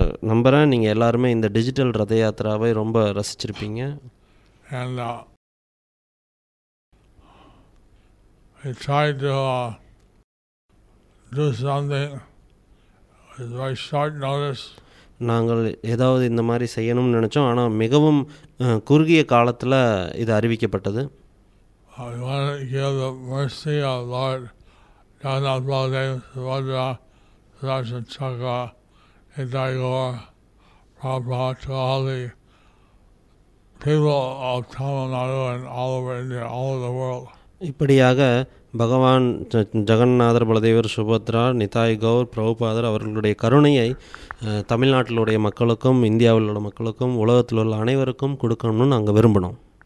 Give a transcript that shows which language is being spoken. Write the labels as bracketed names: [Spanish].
[Tamil] நம்புகிறேன் நீங்கள் எல்லாருமே இந்த டிஜிட்டல் ரத யாத்திராவை ரொம்ப ரசிச்சிருப்பீங்க. [English] I tried to do something with very short notice. [Tamil] நாங்கள் ஏதாவது இந்த மாதிரி செய்யணும்னு நினச்சோம், ஆனால் மிகவும் குறுகிய காலத்தில் இது அறிவிக்கப்பட்டது. [English] I want to give the mercy of Lord Jagannath Baladev, Subhadra, Sudarshan Chakra, Nithai Gaur, Prabhupada, to all the people of Tamil Nadu and all over India, all over the world. [Tamil] இப்படியாக பகவான் ஜெகந்நாதர் பலதேவர், சுபத்ரா, நிதாய் கௌர், பிரபுபாதர் அவர்களுடைய கருணையை தமிழ்நாட்டிலுடைய மக்களுக்கும் இந்தியாவில் உள்ள மக்களுக்கும் உலகத்தில் உள்ள அனைவருக்கும் கொடுக்கணும்னு நாங்கள் விரும்பணும்.